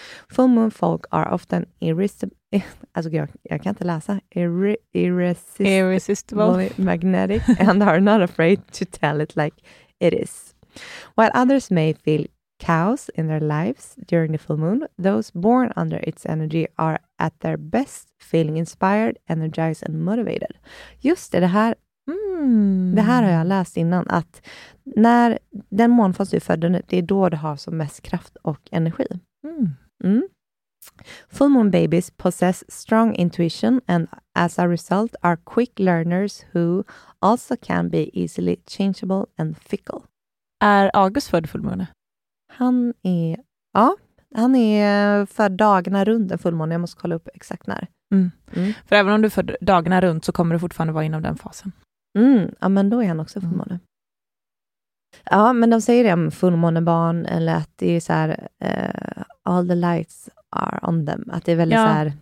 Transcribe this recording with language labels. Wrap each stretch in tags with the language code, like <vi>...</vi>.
<en>Full moon folk are often irresistible, magnetic, and are not afraid to tell it like it is. While others may feel chaos in their lives during the full moon, those born under its energy are at their best, feeling inspired, energized, and motivated.</en> <sv>Just det här. Det här har jag läst innan, att när den månfas du är född, det är då du har som mest kraft och energi.</sv> <en>Full moon babies possess strong intuition and as a result are quick learners who also can be easily changeable and fickle.</en> <sv>Är August född fullmåne? Han är född dagarna runt en fullmåne. Jag måste kolla upp exakt när. För även om du är född dagarna runt så kommer du fortfarande vara inom den fasen. Ja, men då är han också fullmåne. Ja, men de säger det om fullmånebarn, eller att det är så här,</sv> <en>all the lights are on them.</en> <sv>Att det är väldigt så här...</sv>